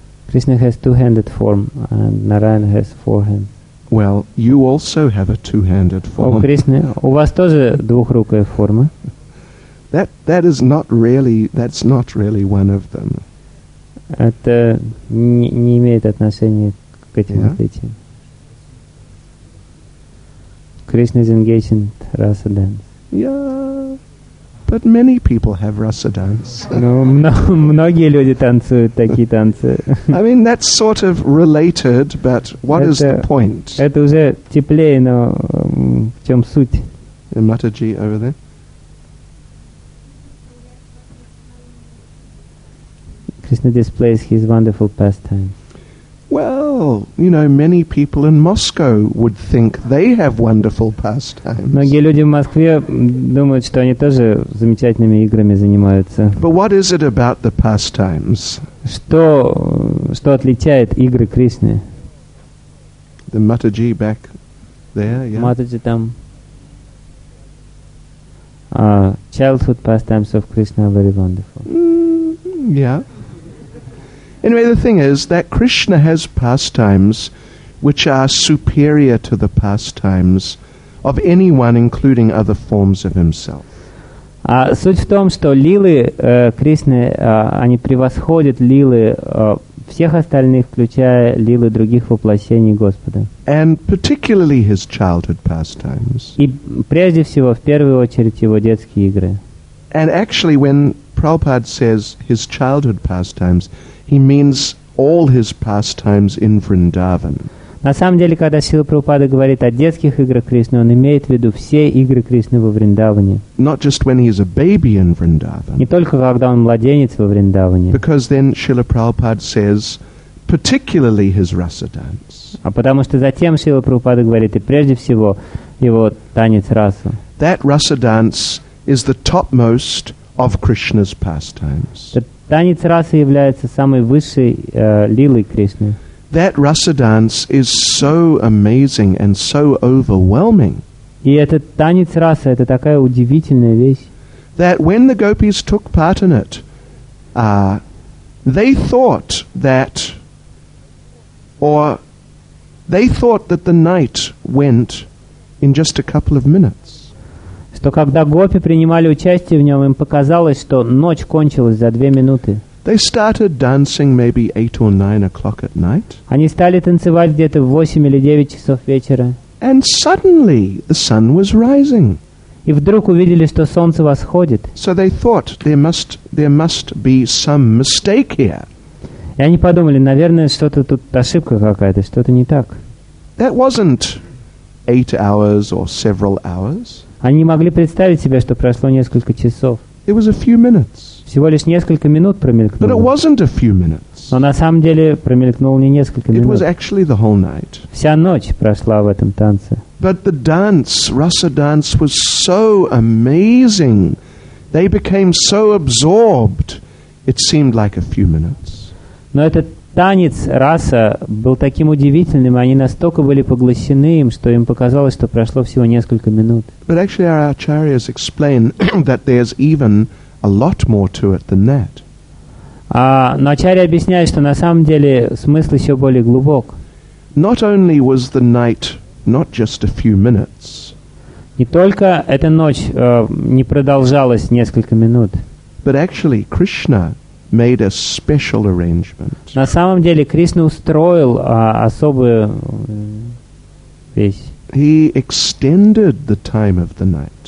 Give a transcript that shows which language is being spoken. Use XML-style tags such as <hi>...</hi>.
<en>Krishna has two-handed form and Narayana has forehand. Well, you also have a two-handed form.</en> <ru>О, Кришна, у вас тоже двухрукая форма?</ru> <en>That is not really, that's not really one of them.</en> <ru>Это не имеет отношения к этим отличиям.</ru> <en>Krishna is engaged in rasa dance. Yeah, but many people have rasa dance.</en> <ru>Ну, многие люди танцуют такие танцы.</ru> <en>I mean, that's sort of related, but what is the point?</en> <ru>Это уже теплее, но в чем суть?</ru> <en>And Mataji over there. Krishna displays his wonderful pastime. Well, you know, many people in Moscow would think they have wonderful pastimes.</en> <ru>Многие люди в Москве думают, что они тоже замечательными играми занимаются.</ru> <en>But what is it about the pastimes?</en> <ru>Что отличает игры Кришны?</ru> <en>The Mataji back there, yeah.</en> <ru>Mataji там.</ru> <en>Childhood pastimes of Krishna are very wonderful. Yeah. Anyway, the thing is that Krishna has pastimes which are superior to the pastimes of anyone, including other forms of himself.</en> <ru>Суть в том, что лилы Кришны, они превосходят лилы всех остальных, включая лилы других воплощений Господа.</ru> <en>And particularly his childhood pastimes.</en> <ru>И прежде всего, в первую очередь, его детские игры.</ru> <en>And actually, when Prabhupada says his childhood pastimes, he means all his pastimes in Vrindavan.</en> <ru>На самом деле, когда Шрила Прабхупада говорит о детских играх Кришны, он имеет в виду все игры Кришны во Вриндаване.</ru> <en>Not just when he is a baby in Vrindavan.</en> <ru>Не только когда он младенец во Вриндаване.</ru> <en>Because then Shrila Prabhupada says, particularly his rasa dance.</en> <ru>А потому что затем Шрила Прабхупада говорит, и прежде всего его танец раса.</ru> <en>That rasa dance is the topmost of Krishna's pastimes.</en> <ru>Танец расы является самой высшей лилой Кришны.</ru> <en>That rasa dance is so amazing and so overwhelming.</en> <ru>И этот танец расы — это такая удивительная вещь.</ru> <en>That when the gopis took part in it, they thought that the night went in just a couple of minutes.</en> <ru>Что когда гопи принимали участие в нем, им показалось, что ночь кончилась за две минуты.</ru> <en>They started dancing maybe 8 or 9 o'clock at night.</en> <ru>Они стали танцевать где-то в 8 или 9 часов вечера.</ru> <en>And suddenly the sun was rising.</en> <ru>И вдруг увидели, что солнце восходит.</ru> <en>So they thought there must be some mistake here.</en> <ru>И они подумали, наверное, что-то тут ошибка какая-то, что-то не так.</ru> <en>That wasn't 8 hours or several hours.</en> <ru>Они не могли представить себе, что прошло несколько часов.</ru> <en>It was a few minutes.</en> <ru>Всего лишь несколько минут промелькнуло.</ru> <en>But it wasn't a few minutes.</en> <ru>Но на самом деле промелькнуло не несколько минут.</ru> <en>It was actually the whole night.</en> <ru>Вся ночь прошла в этом танце.</ru> <en>But the dance, rasa dance, was so amazing They became so absorbed, it seemed like a few minutes.</en> <ru>Но этот танец раса был таким удивительным, они настолько были поглощены им, что им показалось, что прошло всего несколько минут.</ru> <en>But actually our acharyas explain that there's even a lot more to it than that.</en> <ru>Но ачарьи объясняют, что на самом деле смысл еще более глубок.</ru> <en>Not only was the night not just a few minutes.</en> <ru>Не только эта ночь не продолжалась несколько минут.</ru> <en>But actually Krishna made a special arrangement.</en> <ru>На самом деле Кришна устроил особую вещь.</ru> <en>He extended the time of the night.</en>